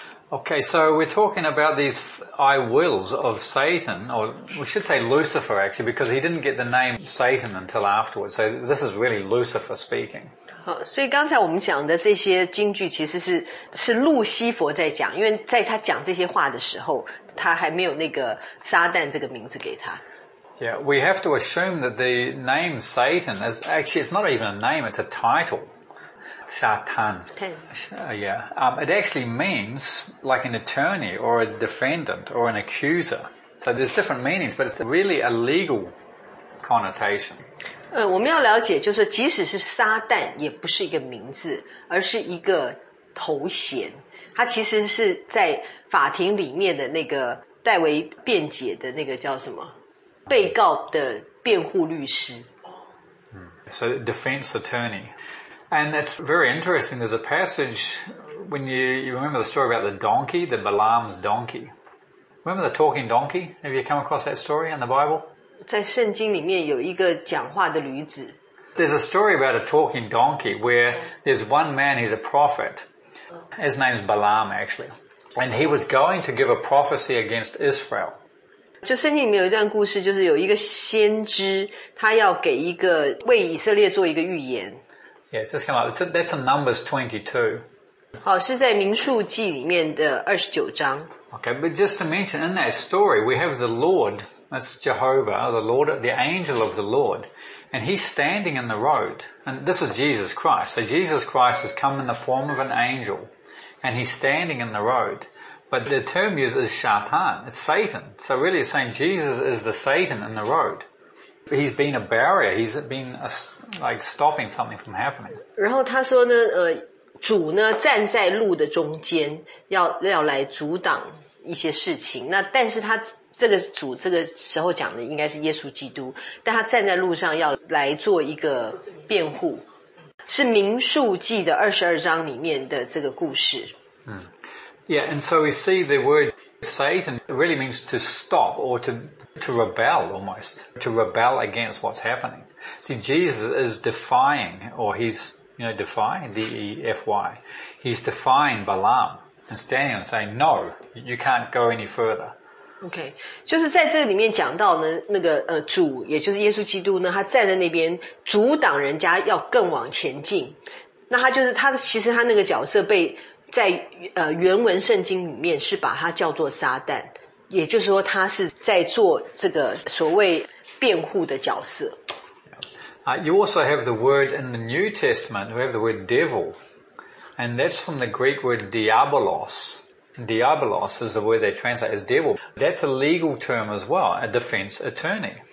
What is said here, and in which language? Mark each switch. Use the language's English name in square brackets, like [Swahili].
[English] Okay, so we're talking about these I wills of Satan, or we should say Lucifer actually, because he didn't get the name Satan until afterwards. So this is really Lucifer speaking. [Chinese] 好，所以刚才我们讲的这些金句其实是路西佛在讲，因为在他讲这些话的时候，他还没有那个撒旦这个名字给他。 [English] Yeah, we have to assume that the name Satan is actually, it's not even a name, it's a title. Satan. It actually means like an attorney or a defendant or an accuser. So there's different meanings, but it's really a legal connotation. [Chinese] 我们要了解就是即使是撒旦也不是一个名字，而是一个头衔。它其实是在法庭里面的那个代为辩解的那个叫什么？被告的辩护律师。 [English] So defense attorney. And it's very interesting. There's a passage when you remember the story about the donkey, the Balaam's donkey. Remember the talking donkey? Have you come across that story in the Bible? [Chinese] 在圣经里面有一个讲话的驴子。 [English] There's a story about a talking donkey where there's one man, he's a prophet. His name's Balaam actually. And he was going to give a prophecy against Israel. [Chinese] 就圣经里面有一段故事，就是有一个先知，他要给一个为以色列做一个预言。 [English] Yes, this came up. That's in Numbers 22. [Chinese] 好，是在民数记里面的29章。 [English] Okay, but just to mention in that story, we have the Lord, that's Jehovah, the Lord, the angel of the Lord, and he's standing in the road. And this is Jesus Christ. So Jesus Christ has come in the form of an angel, and he's standing in the road. But the term used is Shatan, it's Satan. So really it's saying Jesus is the Satan in the road. He's been a barrier, he's been a, like stopping something from happening. [Chinese] 然后他说呢，主呢站在路的中间，要来阻挡一些事情。那但是他这个主这个时候讲的应该是耶稣基督，但他站在路上要来做一个辩护。是民数记的22章里面的这个故事。 [English] Yeah, and so we see the word Satan really means to stop or to rebel almost, to rebel against what's happening. See, Jesus is defying, or he's, you know, defying, D-E-F-Y. He's defying Balaam and standing and saying, no, you can't go any further. [Chinese] Okay, 就是在这里面讲到呢，那个主，也就是耶稣基督呢，他站在那边阻挡人家要更往前进。那他就是他，其实他那个角色被在原文圣经里面是把它叫做撒旦，也就是说他是在做这个所谓辩护的角色。 [English] You also have the word in the New Testament, we have the word devil, and that's from the Greek word diabolos. Diabolos is the word they translate as devil. That's a legal term as well, a defense attorney.